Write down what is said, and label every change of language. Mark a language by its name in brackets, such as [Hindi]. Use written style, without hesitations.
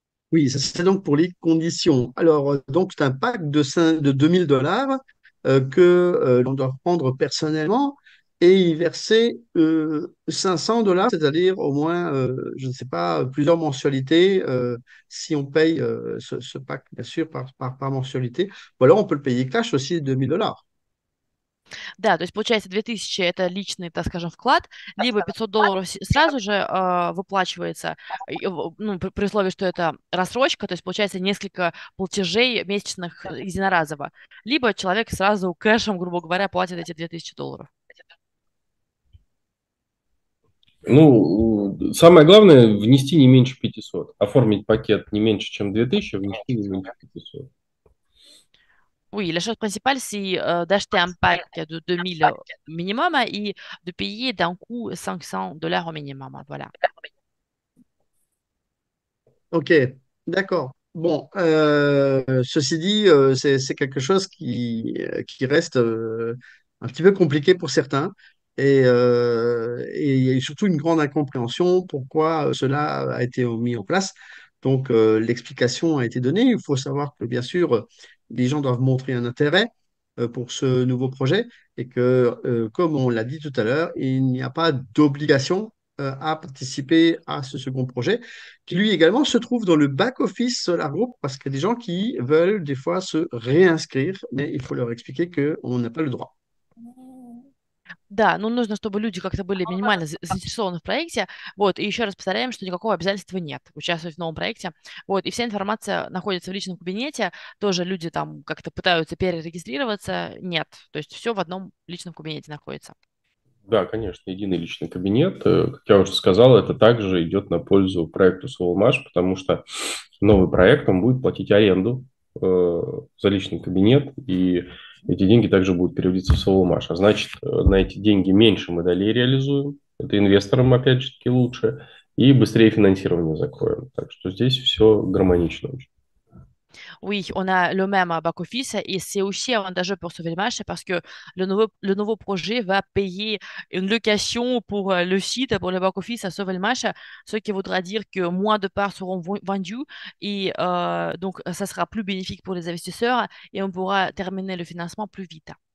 [French] Oui, c'est donc pour les conditions. Alors, donc, c'est un pack de 2000 dollars que l'on doit prendre personnellement et y verser 500 dollars, c'est-à-dire au moins, je ne sais pas, plusieurs mensualités si on paye ce pack, bien sûr, par mensualité. Ou alors, on peut le payer cash aussi, 2000 dollars. [Russian] Да, то есть получается 2000 это личный, так скажем, вклад, либо 500 долларов сразу же выплачивается, ну, при условии, что это рассрочка, то есть получается несколько платежей месячных единоразово, либо человек сразу кэшем, грубо говоря, платит эти 2000 долларов. Ну, самое главное, внести не меньше 500. Оформить пакет не меньше, чем 2000, внести не меньше 500. [French] Oui, la chose principale, c'est d'acheter un pack de 2 000 minimum et de payer d'un coup 500 dollars au minimum. Voilà. OK, d'accord. Bon, ceci dit, c'est quelque chose qui reste un petit peu compliqué pour certains. Et il y a eu surtout une grande incompréhension pourquoi cela a été mis en place. Donc, l'explication a été donnée. Il faut savoir que, bien sûr, les gens doivent montrer un intérêt pour ce nouveau projet et que, comme on l'a dit tout à l'heure, il n'y a pas d'obligation à participer à ce second projet, qui lui également se trouve dans le back-office Solar Group, parce qu'il y a des gens qui veulent des fois se réinscrire, mais il faut leur expliquer qu'on n'a pas le droit. [Russian] Да, ну нужно, чтобы люди как-то были минимально заинтересованы в проекте. Вот, и еще раз повторяем, что никакого обязательства нет участвовать в новом проекте. Вот, и вся информация находится в личном кабинете. Тоже люди там как-то пытаются перерегистрироваться. Нет, то есть все в одном личном кабинете находится. Да, конечно, единый личный кабинет. Как я уже сказал, это также идет на пользу проекту Soulmash, потому что новый проект, он будет платить аренду за личный кабинет, и эти деньги также будут переводиться в Soulmash. А значит, на эти деньги меньше медалей реализуем, это инвесторам, опять же, таки лучше, и быстрее финансирование закроем. Так что здесь все гармонично очень. [French] Oui, on a le même back-office et c'est aussi avantageux pour Solmash parce que le nouveau projet va payer une location pour le site, pour le back-office à Solmash, ce qui voudra dire que moins de parts seront vendues et donc ça sera plus bénéfique pour les investisseurs et on pourra terminer le financement plus vite.